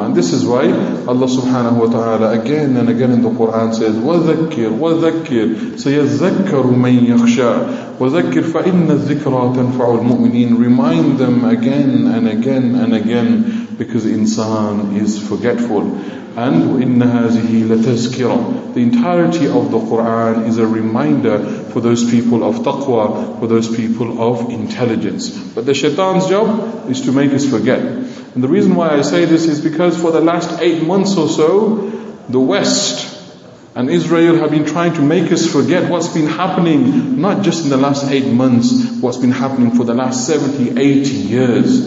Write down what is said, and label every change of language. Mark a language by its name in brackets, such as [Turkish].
[English] And this is why Allah subhanahu wa ta'ala again and again in the Quran says, [Arabic] وَذَكِّرْ وَذَكِّرْ سَيَذَّكَّرُ مَنْ يَخْشَىٰ وَذَكِّرْ فَإِنَّ الذِّكْرَىٰ تَنْفَعُ الْمُؤْمِنِينَ. [English] Remind them again and again and again, because insan is forgetful. [Arabic] And إِنَّ هَذِهِ لَتَذْكِرَةٌ. [English] The entirety of the Qur'an is a reminder for those people of taqwa, for those people of intelligence. But the shaitan's job is to make us forget. And the reason why I say this is because for the last 8 months or so, the West and Israel have been trying to make us forget what's been happening, not just in the last 8 months, what's been happening for the last 70, 80 years.